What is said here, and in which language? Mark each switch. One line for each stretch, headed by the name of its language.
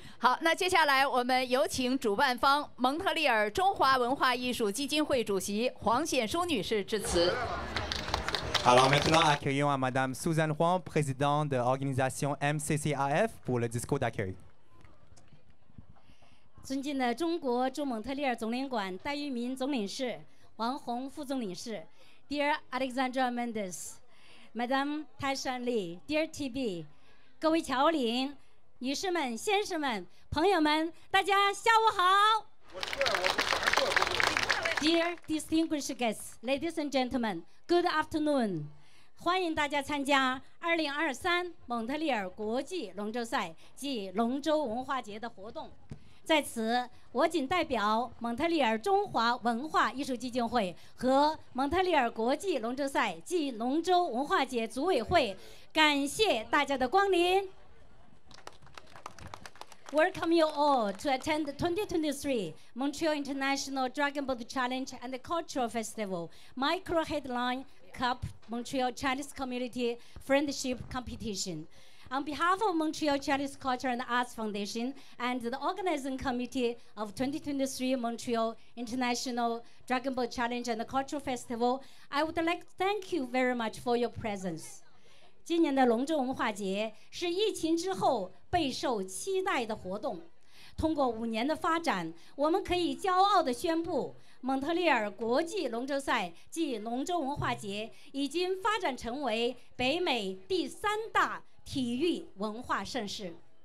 Chinese: 好，那接下来我们有请主办方蒙特利尔中华文化艺术基金会主席黄显淑女士致辞。
French: Alors maintenant, accueillons à Madame Suzanne Huang, présidente de l'organisation MCCAF, pour le discours d'accueil.
Chinese: 尊敬的中国驻蒙特利尔总领馆戴玉民总领事、王红副总领事 ，
English: Dear Alexandra Mendes, Madame Taishan Li, Dear TB,
Chinese: 各位侨领、女士们、先生们、朋友们，大家下午好。
English: Dear distinguished guests, ladies and gentlemen, good afternoon.
Chinese: 欢迎大家参加2023蒙特利尔国际龙舟赛暨龙舟文化节的活动。在此，我谨代表蒙特利尔中华文化艺术基金会和蒙特利尔国际龙舟赛暨龙舟文化节组委会，感谢大家的光临。
English: Welcome you all to attend the 2023 Montreal International Dragon Boat Challenge and the Cultural Festival Micro Headline Cup Montreal Chinese Community Friendship Competition. On behalf of Montreal Chinese Culture and Arts Foundation and the Organizing Committee of 2023 Montreal International Dragon Boat Challenge and the Cultural Festival, I would like to thank you very much for your presence.
Chinese: 今年的龙舟文化节是疫情之后备受期待的活动。通过五年的发展，我们可以骄傲地宣布，蒙特利尔国际龙舟赛暨龙舟文化节已经发展成为北美第三大体育文化盛事。